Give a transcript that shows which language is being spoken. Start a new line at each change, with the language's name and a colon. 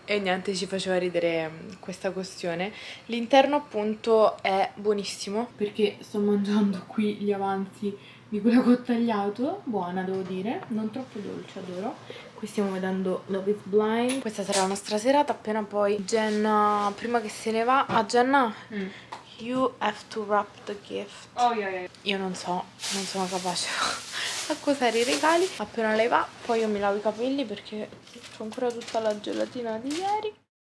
Italian: E niente, ci faceva ridere questa questione. L'interno appunto è buonissimo, perché sto mangiando qui gli avanzi di quello che ho tagliato. Buona, devo dire. Non troppo dolce, adoro. Qui stiamo vedendo Love is Blind. Questa sarà la nostra serata. Appena poi Jenna, prima che se ne va, a Jenna...
English: You have to wrap the gift. Oh, yeah, yeah.
Italian: Io non sono capace a cosare i regali. Appena lei va, poi io mi lavo i capelli perché ho ancora tutta la gelatina di ieri.